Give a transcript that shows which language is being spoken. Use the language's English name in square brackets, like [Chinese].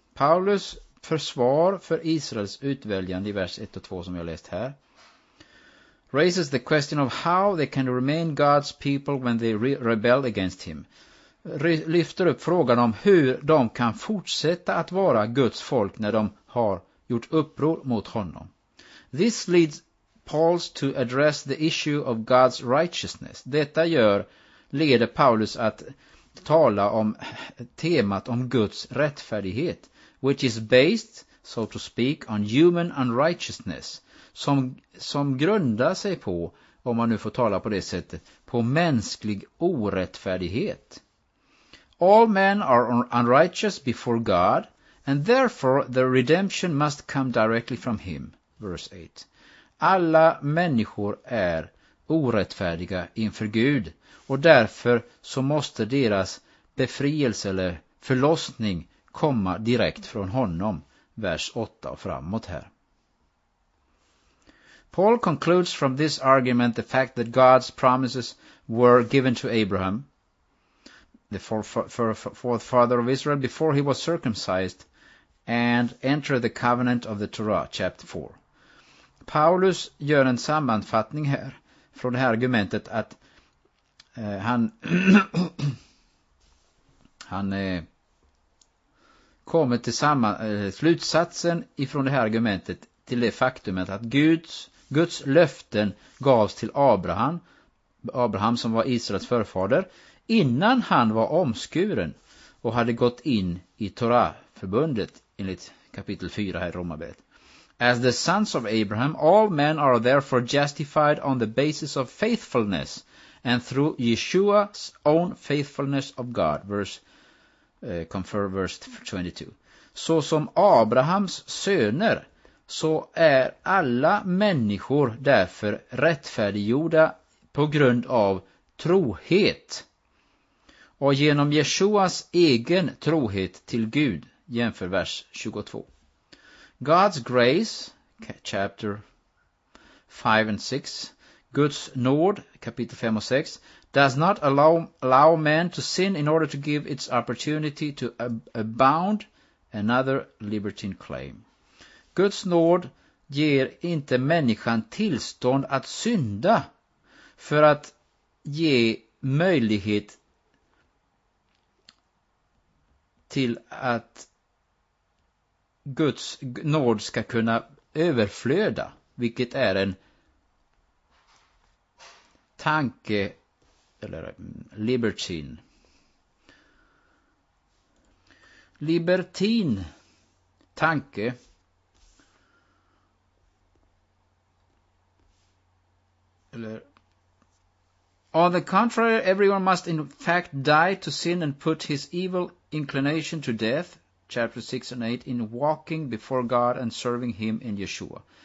[Swedish] Paulus försvar för Israels utväljande i vers 1 och 2 som jag läst här. [English] Raises the question of how they can remain God's people when they rebel against him. [Swedish] Lyfter upp frågan om hur de kan fortsätta att vara Guds folk när de har gjort uppror mot honom. [English] This leads Paul to address the issue of God's righteousness. [Swedish] Detta leder Paulus att tala om temat om Guds rättfärdighet, [English] which is based, so to speak, on human unrighteousness, [Swedish] som grundar sig på, om man nu får tala på det sättet, på mänsklig orättfärdighet. [English] All men are unrighteous before God, and therefore the redemption must come directly from him. Verse 8. [Swedish] Alla människor är orättfärdiga inför Gud, och därför så måste deras befrielse eller förlossning komma direkt från honom. Vers 8 och framåt här. [English] Paul concludes from this argument the fact that God's promises were given to Abraham, the fourth father of Israel, before he was circumcised and entered the covenant of the Torah, chapter 4. [Swedish] Paulus gör en sammanfattning här från det här argumentet att han kommer till samma slutsatsen ifrån det här argumentet till det faktumet att Guds löften gavs till Abraham som var Israels förfader, innan han var omskuren och hade gått in i Torahförbundet enligt kapitel 4 här i Romarbrevet. [English] As the sons of Abraham, all men are therefore justified on the basis of faithfulness and through Yeshua's own faithfulness of God. Verse 22. [Swedish] Så som Abrahams söner, så är alla människor därför rättfärdiggjorda på grund av trohet. Och genom Yeshuas egen trohet till Gud, jämför vers 22. [English] God's grace, chapter 5 and 6, [Swedish] Guds nåd, kapitel 5 och 6, [English] does not allow man to sin in order to give its opportunity to abound another libertine claim. [Swedish] Guds nåd ger inte människan tillstånd att synda för att ge möjlighet till att Guds nåd ska kunna överflöda, vilket är en tanke eller libertine. Libertin tanke eller [English] on the contrary, everyone must in fact die to sin and put his evil inclination to death, chapter 6 and 8, in walking before God and serving him in Yeshua.